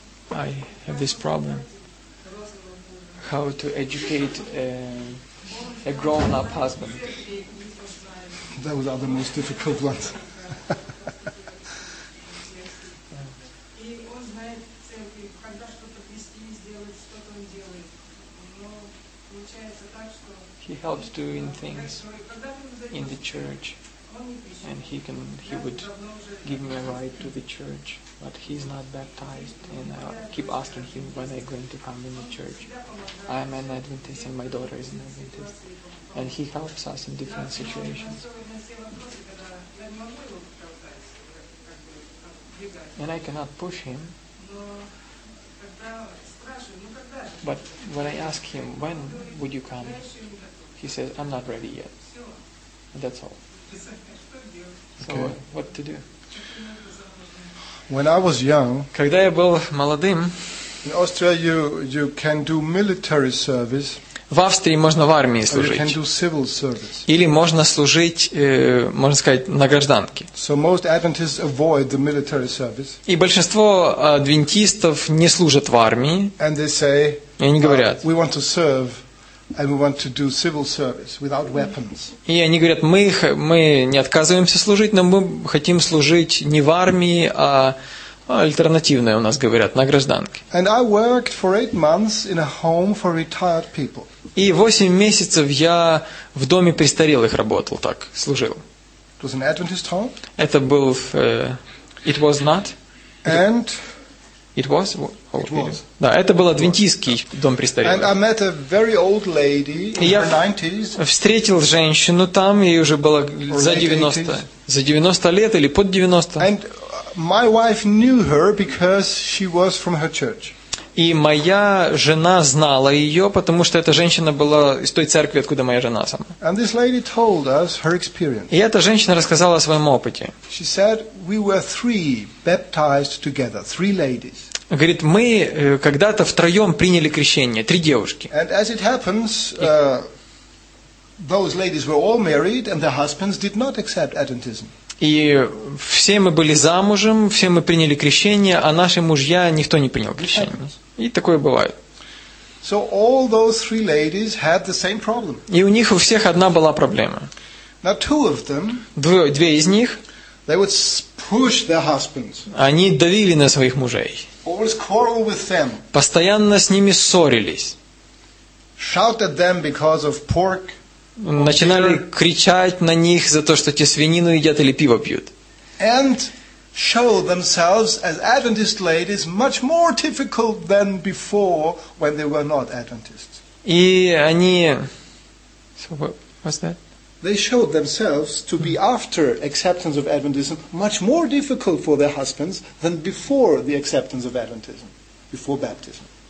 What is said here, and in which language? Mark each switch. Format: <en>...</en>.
<en>I have this problem. How to educate a grown-up husband? Those are the most difficult ones.</en> <ru>Когда что-то вести и сделать, что-то он делает. Но получается,</ru> <en>He helps doing things in the church, and he would give me a ride to the church, but he's not baptized, and I keep asking him when I'm going to come in the church. I am an Adventist and my daughter is an Adventist, and he helps us in different situations. And I cannot push him, but when I ask him, when would you come, he says, I'm not ready yet. And that's all. So okay. What to do? When I was young,</en> <ru>когда я был молодым,</ru> <en>in Austria you can do military service.</en> <ru>В Австрии можно в армии служить.</ru> <en>Or you can do civil service.</en> <ru>Или можно служить, можно сказать, на гражданке.</ru> <en>So most Adventists avoid the military service.</en> <ru>И большинство адвентистов не служат в армии.</ru> <en>And they say,</en> <ru>и они говорят,</ru> <en>we want to serve. And we want to do civil service without weapons.</en> <ru>И они говорят, мы не отказываемся служить, но мы хотим служить не в армии, а альтернативное у нас говорят на гражданке.</ru> <en>And I worked for 8 months in a home for retired people.</en> <ru>И 8 месяцев я в доме престарелых работал, так служил.</ru> <en>It was an Adventist home.</en> <ru>Это был,</ru> <en>it was not. And it was. It was.</en> <ru>Да, это был адвентистский дом престарелых.</ru> <en>And I met a very old lady in her 90s.</en> <ru>Я встретил женщину там, ей уже было за 90 лет или под 90.</ru> <en>And my wife knew her because she was from her church.</en> <ru>И моя жена знала ее, потому что эта женщина была из той церкви, откуда моя жена сама.</ru> <en>And this lady told us her experience.</en> <ru>И эта женщина рассказала о своем опыте.</ru> <en>She said we were 3 baptized together, 3 ladies.</en> <ru>Говорит, мы когда-то втроем приняли крещение, 3 девушки.</ru> <en>And as it happens, those ladies were all married, and their husbands did not accept Adventism.</en> <ru>И все мы были замужем, все мы приняли крещение, а наши мужья никто не принял крещение. И такое бывает.</ru> <en>So all those 3 ladies had the same problem.</en> <ru>И у них у всех одна была проблема.</ru> <en>Now 2 of them.</en> <ru>Две из них.</ru> <en>They would push their husbands.</en> <ru>Они давили на своих мужей.</ru> <en>Always quarrel with them.</en> <ru>Постоянно с ними ссорились.</ru> <en>Shout at them because of pork.</en> <ru>Начинали кричать на них за то, что те свинину едят или пиво пьют.</ru> <en>And show themselves as Adventist ladies much more difficult than before when they were not Adventists.</en> <ru>И они.</ru> <en>So what's that? They showed themselves to be after acceptance of Adventism much more difficult for their husbands than before the acceptance of Adventism, before baptism.</en>